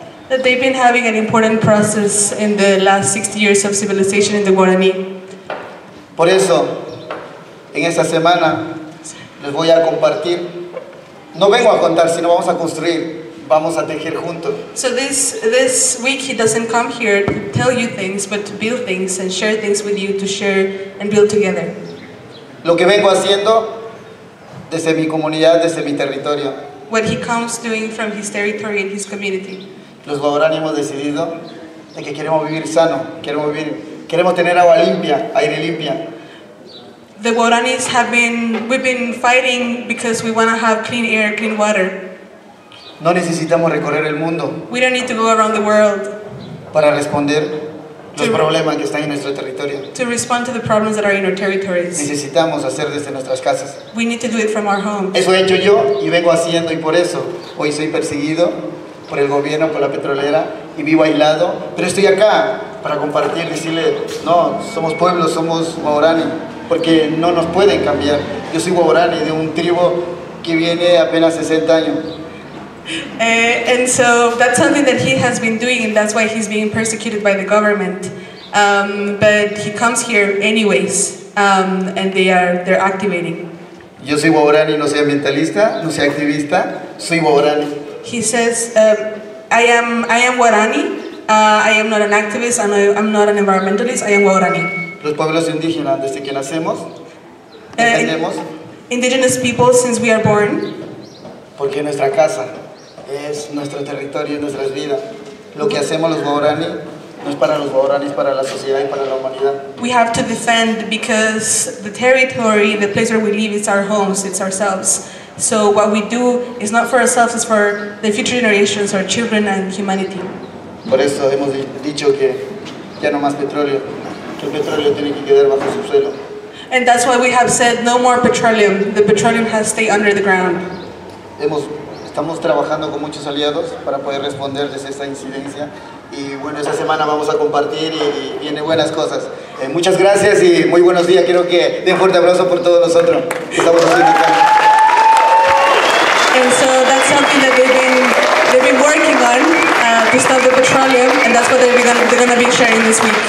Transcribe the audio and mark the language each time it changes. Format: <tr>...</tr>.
<en>That they've been having an important process in the last 60 years of civilization in the Guarani.</en> <es>Por eso, en esta semana les voy a compartir. No vengo a contar, sino vamos a construir, vamos a tejer juntos.</es> <en>So this week he doesn't come here to tell you things, but to build things and share things with you, to share and build together.</en> <es>Lo que vengo haciendo desde mi comunidad, desde mi territorio.</es> <en>What he comes doing from his territory and his community.</en> <es>Los Guaraní hemos decidido de que queremos vivir sano, queremos vivir, queremos tener agua limpia, aire limpia.</es> <en>The Guaranis have been, we've been fighting because we want to have clean air, clean water.</en> <es>No necesitamos recorrer el mundo.</es> <en>We don't need to go around the world.</en> <es>Para responder los problemas que están en nuestro territorio.</es> <en>To respond to the problems that are in our territories.</en> <es>Necesitamos hacer desde nuestras casas.</es> <en>We need to do it from our homes.</en> <es>Eso he hecho yo y vengo haciendo y por eso hoy soy perseguido por el gobierno, por la petrolera y vivo aislado. Pero estoy acá para compartir, decirle, no, somos pueblo, somos Guaraní, porque no nos pueden cambiar. Yo soy Guaraní de un tribu que viene apenas 60 años.</es> <en>And so that's something that he has been doing, and that's why he's being persecuted by the government. But he comes here anyways, and they're activating.</en> <es>Yo soy Guaraní, no soy ambientalista, no soy activista, soy Guaraní.</es> <en>He says, I am Guaraní. I am not an activist. I'm not an environmentalist. I am Guaraní.</en> <es>Los pueblos indígenas desde que nacemos, entendemos.</es> <en>Indigenous people since we are born.</en> <es>Porque nuestra casa. Es nuestro territorio, es nuestras vidas. Lo que hacemos los Guaraní no es para los Guaraní, es para la sociedad y para la humanidad.</es> <en>We have to defend because the territory, the place where we live, it's our homes, it's ourselves. So what we do is not for ourselves, it's for the future generations, our children and humanity.</en> <es>Por eso hemos dicho que ya no más petróleo, que el petróleo tiene que quedar bajo su suelo.</es> <en>And that's why we have said no more petroleum. The petroleum has to stay under the ground.</en> <es>Estamos trabajando con muchos aliados para poder responder desde esta incidencia. Y bueno, esta semana vamos a compartir y viene buenas cosas. Muchas gracias y muy buenos días. Quiero que den fuerte abrazo por todos nosotros. Estamos aquí.</es> <en>And so that's something that they've been working on to stop the petroleum. And that's what they're gonna be sharing this week.</en>